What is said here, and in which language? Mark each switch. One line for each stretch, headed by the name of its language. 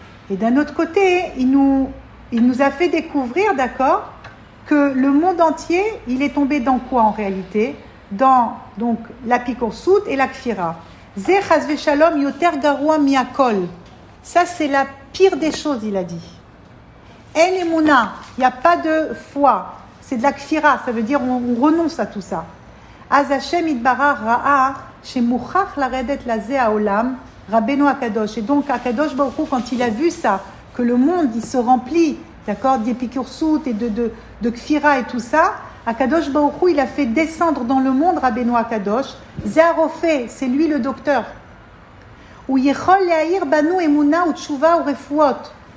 French: Et d'un autre côté, il nous a fait découvrir, d'accord, que le monde entier, il est tombé dans quoi en réalité? Dans donc l'apikorsut et la kfira.
Hebrew: Zeh hasve shalom yoter garua miakol.
French: Ça, c'est la pire des choses, il a dit. En emuna, il n'y a pas de foi. C'est de la kfira, ça veut dire on renonce à tout ça.
Hebrew: אז השם יתברך ראה שמוכח לרדת לזה העולם, רבנו הקדוש.
French: Et donc, הקדוש ברוך הוא, quand il a vu ça, que le monde, il se remplit, d'accord, d'Epicursut et de Kfira et tout ça, הקדוש ברוך הוא, il a fait descendre dans le monde, רבנו הקדוש,
Hebrew: זה הרופא,
French: c'est lui le docteur.
Hebrew: הוא יכול להאיר בנו אמונה ותשובה ורפואות.